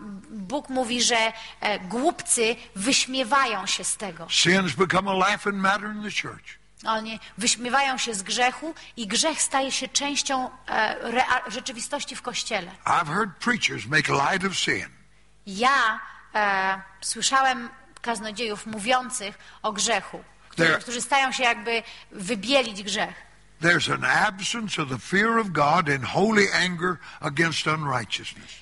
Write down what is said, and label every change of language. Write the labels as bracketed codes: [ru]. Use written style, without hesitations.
[pl] Bóg mówi, że głupcy wyśmiewają się z tego. [en] Sins become a laughing matter in the church. [pl] Oni wyśmiewają się z grzechu i grzech staje się częścią rzeczywistości w Kościele. [en] I've heard preachers make light of sin. [pl] Ja słyszałem kaznodziejów mówiących o grzechu, którzy stają się jakby wybielić grzech. [en] There's an absence of the fear of God in holy anger against unrighteousness.